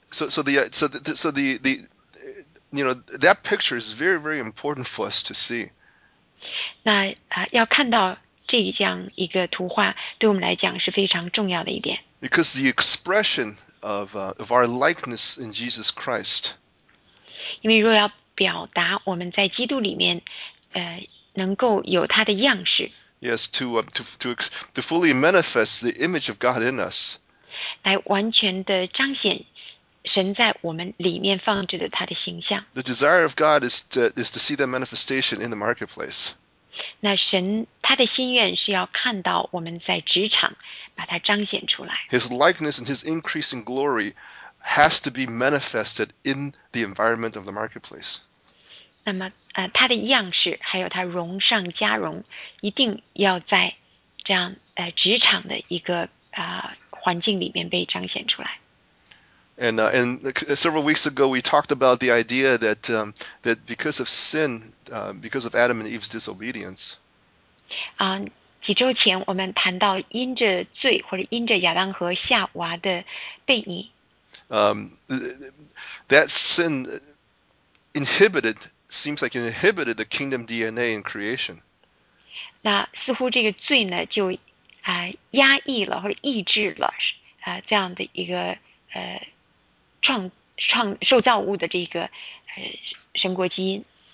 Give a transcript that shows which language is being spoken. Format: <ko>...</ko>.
<en>And that picture is very, very important for us to see.</en> <zh>那要看到这样一个图画，对我们来讲是非常重要的一点。</zh> <en>Because the expression of our likeness in Jesus Christ.</en> <zh>因为若要表达我们在基督里面，能够有他的样式。</zh> <en>Yes, to fully manifest the image of God in us.</en> <zh>来完全的彰显神在我们里面放置的他的形象。</zh> <en>The desire of God is to see that manifestation in the marketplace.</en> <zh>那神他的心愿是要看到我们在职场把它彰显出来。</zh> <en>His likeness and his increasing glory has to be manifested in the environment of the marketplace.</en> <zh>那么他的样式还有他荣上加荣一定要在这样职场的一个环境里面被彰显出来。</zh> <en>And several weeks ago we talked about the idea that that because of sin, because of Adam and Eve's disobedience.</en> <zh>几周前我们谈到因着罪或者因着亚当和夏娃的悖逆。</zh> <en>That sin inhibited the kingdom DNA in creation.</en> <zh>那似乎这个罪呢就压抑了或者抑制了这样的一个创受造物的这个神国基因。</zh>